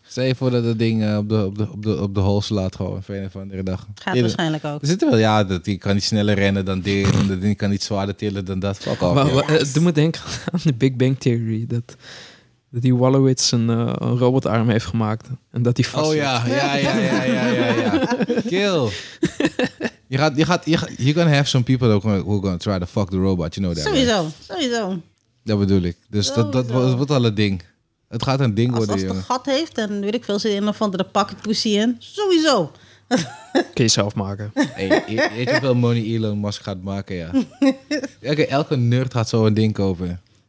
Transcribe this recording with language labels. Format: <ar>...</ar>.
<nl>Stel je voor dat het ding op de hol slaat gewoon voor een of andere dag. Gaat Eerder. Waarschijnlijk ook. Er zit wel, ja, dat die kan niet sneller rennen dan dit. En dat ding kan niet zwaarder tillen dan dat.</nl> <en>Fuck off.</en> <nl>Doe me denken aan de Big Bang Theory. Dat die Wallowitz een robotarm heeft gemaakt. En dat die vast Oh ja, ja. Kill.</nl> <en>You're gonna have some people who are gonna try to fuck the robot. You know that.</en> <nl>Sowieso. Dat bedoel ik. Dus dat wordt al het ding. Het gaat een ding worden. Als het een gat heeft, dan weet ik veel ze in of andere pakken poesie in. Sowieso. Kun je zelf maken. Weet je hoeveel money Elon Musk gaat maken, ja. Elke nerd gaat zo een ding kopen.</nl>